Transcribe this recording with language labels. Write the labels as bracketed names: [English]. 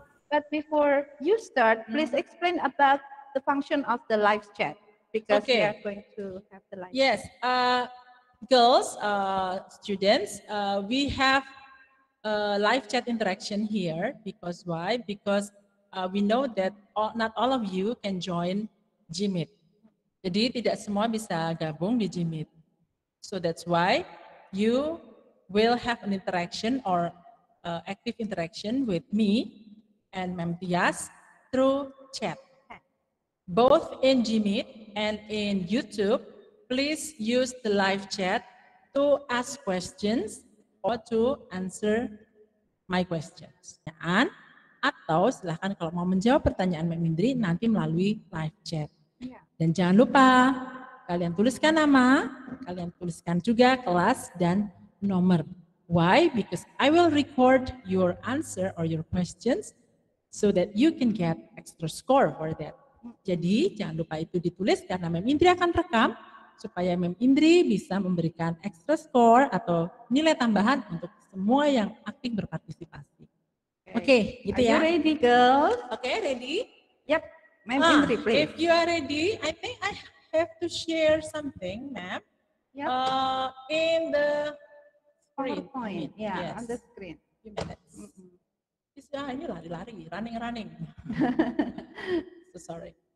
[English] But before you start, please explain about the function of the live chat because we are going to have the live chat. Yes. Girls, students, we have a live chat interaction here. Because why? Because we know that not all of you can join GMIT. [Indonesian] Jadi tidak semua bisa gabung di GMIT. [English] So that's why you will have an interaction or active interaction with me and Mem Tias through chat. Both in GMIT and in YouTube, please use the live chat to ask questions or to answer my questions. [Indonesian] Atau silakan kalau mau menjawab pertanyaan Mem Indri nanti melalui live chat. Dan jangan lupa, kalian tuliskan nama, kalian tuliskan juga kelas dan nomor. Why? [English] Because I will record your answer or your questions so that you can get extra score for that. [Indonesian] Jadi jangan lupa itu ditulis karena Mem Indri akan rekam supaya Mem Indri bisa memberikan extra score atau nilai tambahan untuk semua yang aktif berpartisipasi. Oke, gitu ya. [English] Are you ready, girls? Okay, ready? Yep. Ma'am Indri, please. If you are ready, I think I have to share something, ma'am. Yep. In the screen. PowerPoint, yeah, yes. On the screen. Give me that. [Indonesian] Ini lari-lari, [English] running. So sorry.